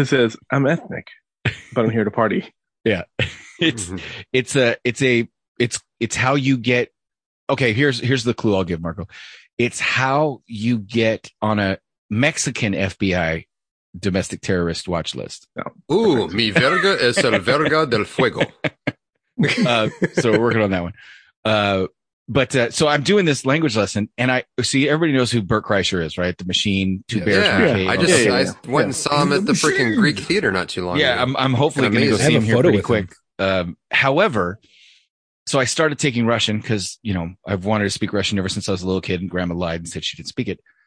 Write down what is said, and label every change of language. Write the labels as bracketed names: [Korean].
[English] It says I'm ethnic, but I'm here to party. Yeah. It's how you get. Okay, here's the clue I'll give Marco. It's how you get on a Mexican FBI domestic terrorist watch list. No. [Spanish] Ooh, mi verga es el verga del fuego. [English] So we're working on that one. So I'm doing this language lesson, and I see everybody knows who Bert Kreischer is, right? The machine, two bears. Yeah, yeah. I saw him at the freaking Greek theater not too long ago. Yeah, I'm hopefully going to go see him here pretty quick. However, so I started taking Russian because, you know, I've wanted to speak Russian ever since I was a little kid, and grandma lied and said she didn't speak it.